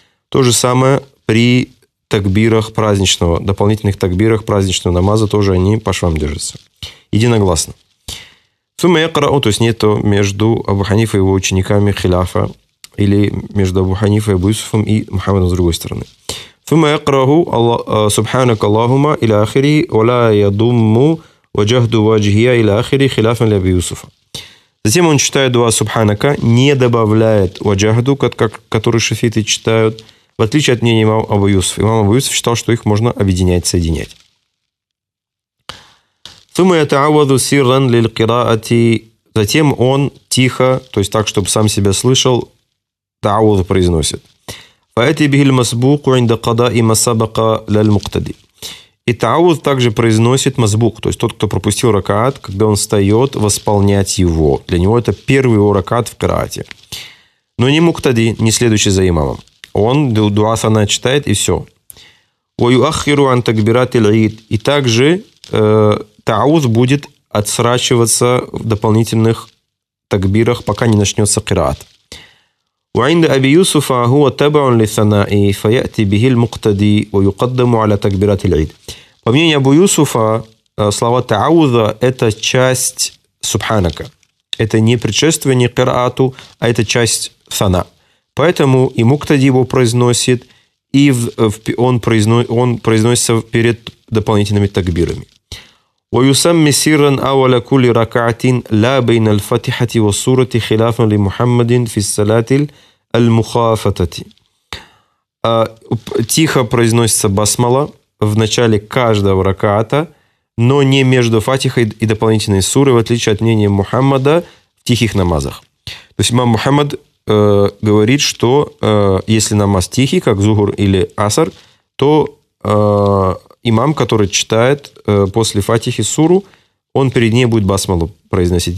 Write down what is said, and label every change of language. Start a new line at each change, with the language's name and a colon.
Russian: То же самое при такбирах праздничного, дополнительных такбирах праздничного намаза, тоже они по швам держатся. Единогласно.
Arabic: ثم يقرأ,
Russian: то есть нету между Абу Ханифой и его учениками хиляфа, или между Абу Ханифой и Абу Юсуфом и Мухаммадом с другой стороны.
Arabic: ثم يقرأ سبحانك اللهم إلى آخره ولا يضم وجهه وجهه إلى آخره خلافا لأبي يوسف.
Russian: Затем он читает дуа سبحانك, не добавляет وجهه, который шафиты читают, в отличие от мнения имама Абу Юсуфа. Имам Абу Юсуф считал, что их можно объединять, соединять.
Arabic: ثم يتعوذ سرا للقراءة.
Russian: Затем он тихо, то есть так, чтобы сам себя слышал, تعوذ произносит.
Arabic: فأتي به المسبوق عند قضاء ما سبق للمقتدي.
Russian: И تعوذ также произносит مسبوق, то есть тот, кто пропустил ракаат, когда он встает восполнять его. Для него это первый ракаат в караате. Но не муктади, не следующий за имамом. Он дуа сана читает и все.
Arabic: ويؤخر عن تكبيرات العيد.
Russian: И также тауз будет отсрачиваться в дополнительных такбирах, пока не начнется кираат.
Arabic: وعند أبي يوسف هو تبع للثناء فيأتي به المقتدي ويقدم على تكبيرات العيد.
Russian: По мнению Абу Юсуфа, слова тауза – это часть субханака. Это не предшествие не кираату, а это часть сана. Поэтому и муктади его произносит, и он произносится перед дополнительными такбирами.
Arabic: ويسمى سيرا أول كل ركعة لا بين الفاتحة والسورة خلافا لمحمد في الصلاة المخافتة.
Russian: Тихо произносится басмала в начале каждого раката, но не между фатихой и дополнительной сурой, в отличие от мнения Мухаммада в тихих намазах. То есть имам Мухаммад говорит, что если намаз тихий, как зухур или асар, то имам, который читает после фатихи суру, он перед ней будет басмалу произносить.